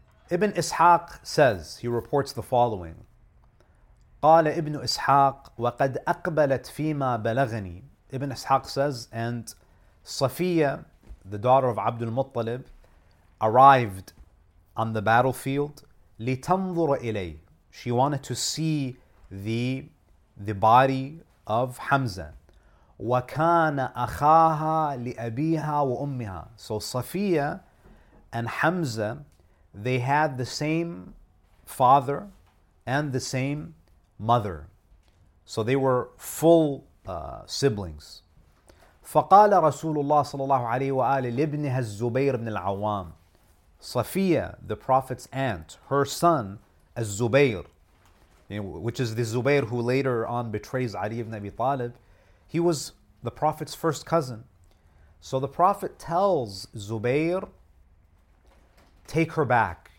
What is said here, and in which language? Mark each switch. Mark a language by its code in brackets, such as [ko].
[en] Ibn Ishaq says, he reports the following. [ar] قال ابن إسحاق وقد أقبلت فيما بلغني. [en] Ibn Ishaq says, and Safiya, the daughter of Abdul Muttalib, arrived on the battlefield. [ar] لتنظر إلي. [en] She wanted to see the body of Hamza. [ar] وكان أخاها لأبيها وأمها. [en] So Safiya and Hamza, they had the same father and the same mother. So they were full siblings. [ar] فقال رسول الله صلى الله عليه وآله لابنها الزبير بن العوام. [en] Safiya, the Prophet's aunt, her son, الزبير, which is the Zubair who later on betrays Ali ibn Abi Talib, he was the Prophet's first cousin. So the Prophet tells Zubair, take her back.